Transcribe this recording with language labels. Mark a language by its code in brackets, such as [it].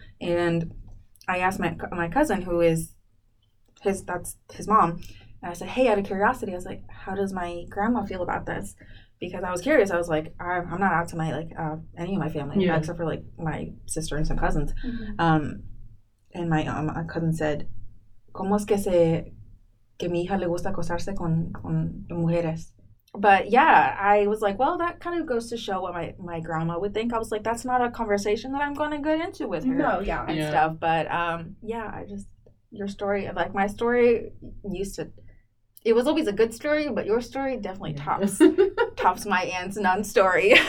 [en] And I asked my cousin, who is that's his mom, and I said, hey, out of curiosity, I was like, how does my grandma feel about this? Because I was curious. I was like, I'm not out to my, any of my family, yeah. except for, like, my sister and some cousins. Mm-hmm. And my cousin said, [es] ¿Cómo es que mi hija le gusta acostarse con mujeres? [en] But, yeah, I was like, well, that kind of goes to show what my grandma would think. I was like, that's not a conversation that I'm going to get into with her. No, yeah. And yeah. stuff. But, yeah, I just, your story, like, my story used to, it was always a good story, but your story definitely tops my aunt's nun story.